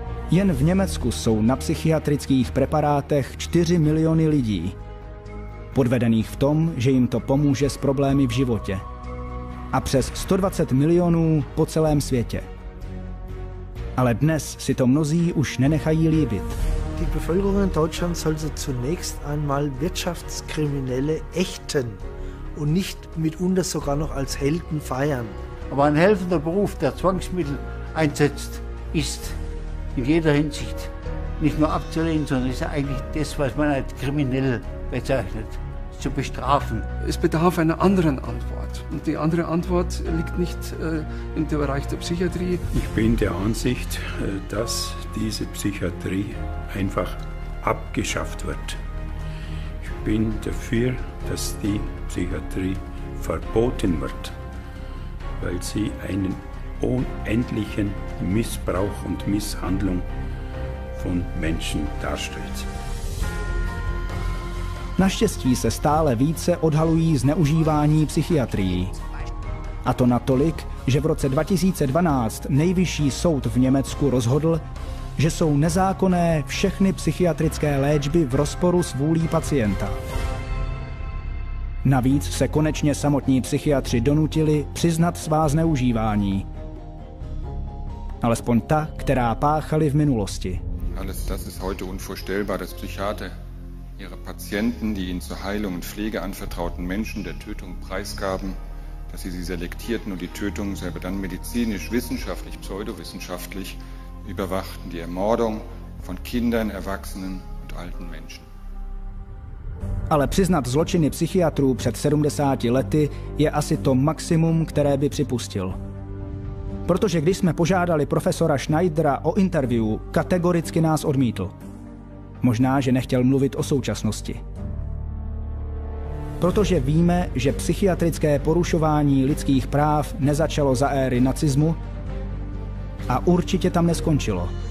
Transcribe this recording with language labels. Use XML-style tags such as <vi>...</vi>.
<cs>Jen v Německu jsou na psychiatrických preparátech 4 miliony lidí, podvedených v tom, že jim to pomůže s problémy v životě. A přes 120 milionů po celém světě. Ale dnes si to mnozí už nenechají líbit.</cs> <de>Die Bevölkerung in Deutschland sollte zunächst einmal Wirtschaftskriminelle ächten und nicht mitunter sogar noch als Helden feiern. Aber ein helfender Beruf, der Zwangsmittel einsetzt, ist in jeder Hinsicht nicht nur abzulehnen, sondern ist eigentlich das, was man als kriminell bezeichnet, zu bestrafen. Es bedarf einer anderen Antwort. Und die andere Antwort liegt nicht im Bereich der Psychiatrie. Ich bin der Ansicht, dass diese Psychiatrie einfach abgeschafft wird. Ich bin dafür, dass die Psychiatrie verboten wird, weil sie einen unendlichen Missbrauch und Misshandlung von Menschen darstellt.</de> <cs>Naštěstí se stále více odhalují zneužívání psychiatrií. A to natolik, že v roce 2012 nejvyšší soud v Německu rozhodl, že jsou nezákonné všechny psychiatrické léčby v rozporu s vůlí pacienta. Navíc se konečně samotní psychiatři donutili přiznat svá zneužívání. alespoň ta, která páchali v minulosti.</cs> <de>Alles das ist heute unvorstellbar, dass Psychiater ihre Patienten, die ihnen zur Heilung und Pflege anvertrauten Menschen, der Tötung preisgaben, dass sie sie selektierten und die Tötung selber dann medizinisch, wissenschaftlich, pseudowissenschaftlich überwachten, die Ermordung von Kindern, Erwachsenen und alten Menschen.</de> <cs>Ale přiznat zločiny psychiatrů před 70 lety je asi to maximum, které by připustil. Protože když jsme požádali profesora Schneidera o interview, kategoricky nás odmítl. Možná, že nechtěl mluvit o současnosti. Protože víme, že psychiatrické porušování lidských práv nezačalo za éry nacismu a určitě tam neskončilo.</cs>